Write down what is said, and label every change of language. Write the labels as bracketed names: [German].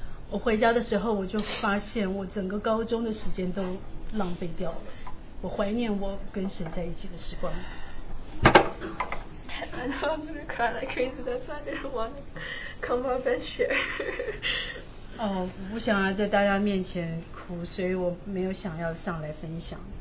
[Chinese] 我回家的时候我就发现我整个高中的时间都浪费掉了，我怀念我跟神在一起的时光。 [English] I know I'm gonna cry like crazy. That's why I didn't want to come up and share. [Chinese] 哦，我不想要在大家面前哭，所以我没有想要上来分享。